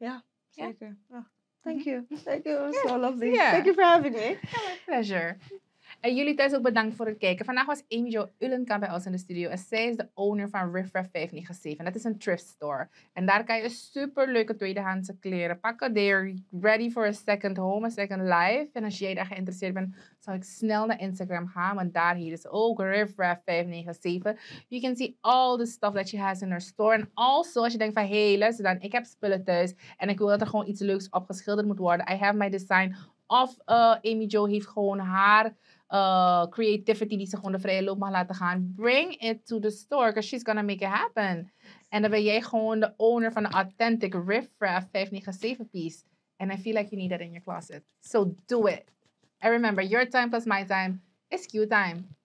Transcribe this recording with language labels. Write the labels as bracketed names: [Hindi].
[Dutch] Ja, zeker. [English] Thank you. It was so lovely. Yeah. Thank you for having me. Yeah, my pleasure. [Dutch] En jullie thuis ook bedankt voor het kijken. Vandaag was Amy Jo Ullenkamp bij ons in de studio. En zij is de owner van Riff Raff 597. Dat is een thrift store. En daar kan je superleuke tweedehandse kleren pakken. [English] They are ready for a second home, a second life. [Dutch] En als jij daar geïnteresseerd bent, zal ik snel naar Instagram gaan. Want daar hier is ook Riff Raff 597. [English] You can see all the stuff that she has in her store. [Dutch] En also, als je denkt van, luister dan, ik heb spullen thuis. En ik wil dat er gewoon iets leuks op geschilderd moet worden. [English] I have my design. [Dutch] Of Amy Jo heeft gewoon haar creativity die ze gewoon de vrije loop mag laten gaan. [English] Bring it to the store, because she's gonna make it happen. [Dutch] En dan ben jij gewoon de owner van de authentic Riff Raff 597 piece. [English] And I feel like you need that in your closet. So do it. And remember, your time plus my time is Q time.